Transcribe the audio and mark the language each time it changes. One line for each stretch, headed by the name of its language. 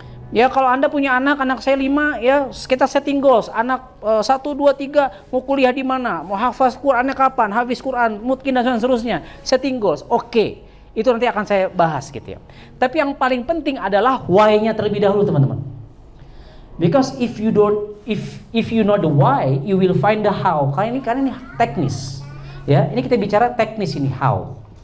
Indonesian: Ya kalau Anda punya anak, anak saya 5 ya, kita setting goals. Anak 1, 2, 3 mau kuliah di mana, mau hafaz Qurannya kapan, hafiz Quran, mungkin dan seterusnya. Setting goals. Oke. Itu nanti akan saya bahas gitu ya. Tapi yang paling penting adalah why-nya terlebih dahulu, teman-teman.
English: Because if you know the why, you will find the how.
Indonesian: Karena ini teknis. Ya, ini kita bicara teknis ini, how.